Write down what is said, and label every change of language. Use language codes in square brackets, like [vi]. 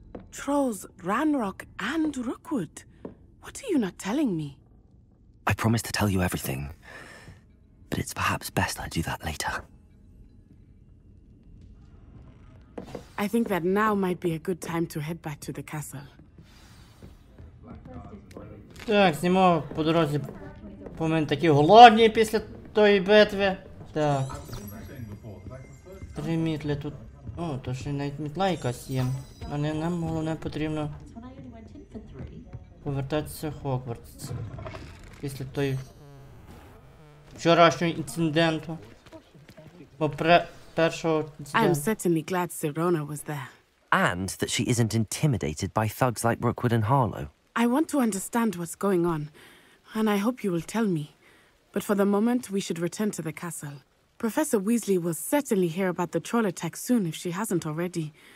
[en] Trolls, Ranrock, and Rookwood. What are you not telling me? I promised to tell you everything, but it's perhaps best I do that later. I think that now might be a good time to head back to the castle. [uk] Так, знімо по дорозі, бо ми такі голодні після тої битви. Так. Три мітлі тут. О, то ще навіть мітла якась є. Але нам головне потрібно повертатися в Хогвартс. Після тої вчорашнього інциденту. Бо першого [en] інциденту. I'm certainly glad Serona was there. And that she isn't intimidated by thugs like Rookwood and Harlow. I want to understand what's going on, and I hope you will tell me. But for the moment, we should return to the castle. Professor Weasley will certainly hear about the troll attack soon if she hasn't already.